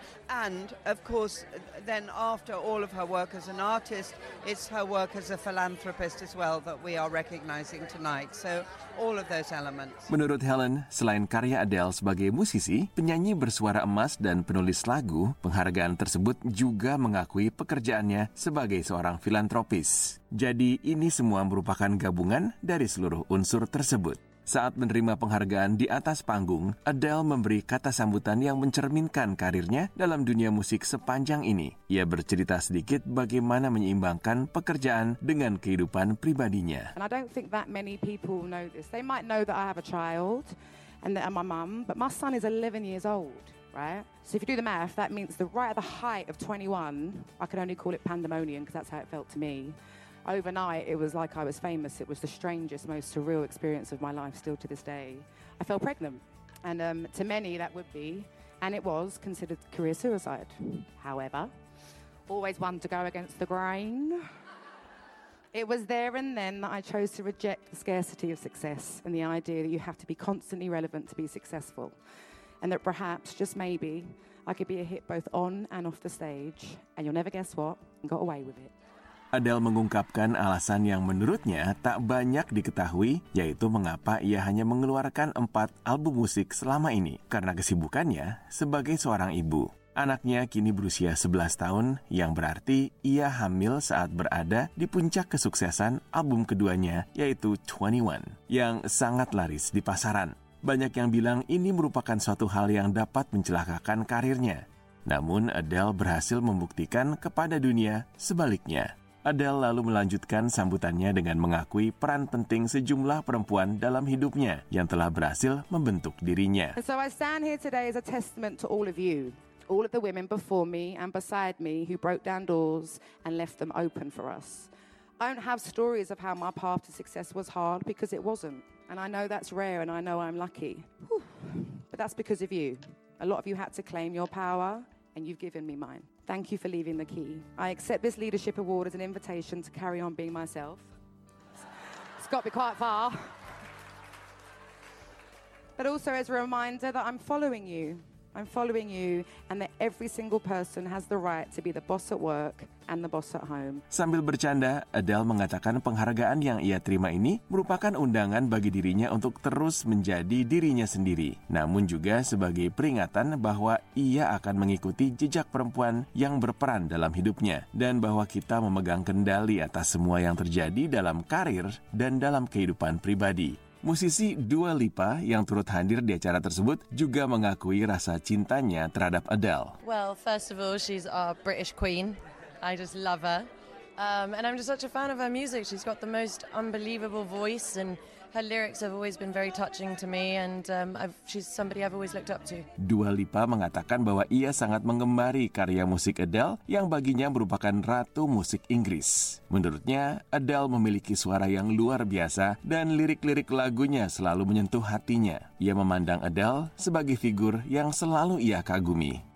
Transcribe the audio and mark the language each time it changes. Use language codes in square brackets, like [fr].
[en] And of course, then after all of her work as an artist, it's her work as a philanthropist as well that we are recognizing tonight. So all of those elements. [id] Menurut Helen, selain karya Adele sebagai musisi, penyanyi bersuara emas dan penulis lagu, penghargaan tersebut juga mengakui pekerjaannya sebagai seorang filantropis. Jadi ini semua merupakan gabungan dari seluruh unsur tersebut. Saat menerima penghargaan di atas panggung, Adele memberi kata sambutan yang mencerminkan karirnya dalam dunia musik sepanjang ini. Ia bercerita sedikit bagaimana menyeimbangkan pekerjaan dengan kehidupan pribadinya. [en] And I don't think that many people know this. They might know that I have a child and that I'm a mum, but my son is 11 years old, right? So if you do the math, that means the right at the height of 21, I can only call it pandemonium because that's how it felt to me. Overnight, it was like I was famous. It was the strangest, most surreal experience of my life still to this day. I fell pregnant. And to many, that would be, and it was, considered career suicide. However, always one to go against the grain. It was there and then that I chose to reject the scarcity of success and the idea that you have to be constantly relevant to be successful. And that perhaps, just maybe, I could be a hit both on and off the stage. And you'll never guess what, got away with it. [id] Adele mengungkapkan alasan yang menurutnya tak banyak diketahui, yaitu mengapa ia hanya mengeluarkan 4 album musik selama ini, karena kesibukannya sebagai seorang ibu. Anaknya kini berusia 11 tahun, yang berarti ia hamil saat berada di puncak kesuksesan album keduanya, yaitu 21, yang sangat laris di pasaran. Banyak yang bilang ini merupakan suatu hal yang dapat mencelakakan karirnya. Namun Adele berhasil membuktikan kepada dunia sebaliknya. Adele lalu melanjutkan sambutannya dengan mengakui peran penting sejumlah perempuan dalam hidupnya yang telah berhasil membentuk dirinya. [en] So I stand here today as a testament to all of you, all of the women before me and beside me who broke down doors and left them open for us. I don't have stories of how my path to success was hard because it wasn't. And I know that's rare and I know I'm lucky. Whew. But that's because of you. A lot of you had to claim your power and you've given me mine. Thank you for leaving the key. I accept this leadership award as an invitation to carry on being myself. It's got me quite far. But also as a reminder that I'm following you. I'm following you and that every single person has the right to be the boss at work and the boss at home. [id] Sambil bercanda, Adele mengatakan penghargaan yang ia terima ini merupakan undangan bagi dirinya untuk terus menjadi dirinya sendiri. Namun juga sebagai peringatan bahwa ia akan mengikuti jejak perempuan yang berperan dalam hidupnya. Dan bahwa kita memegang kendali atas semua yang terjadi dalam karir dan dalam kehidupan pribadi. Musisi Dua Lipa yang turut hadir di acara tersebut juga mengakui rasa cintanya terhadap Adele. [en] Well, first of all, she's our British queen. I just love her. And I'm just such a fan of her music. She's got the most unbelievable voice and her lyrics have always been very touching to me and she's somebody I've always looked up to. [id] Dua Lipa mengatakan bahwa ia sangat mengemari karya musik Adele yang baginya merupakan ratu musik Inggris. Menurutnya, Adele memiliki suara yang luar biasa dan lirik-lirik lagunya selalu menyentuh hatinya. Ia memandang Adele sebagai figur yang selalu ia kagumi.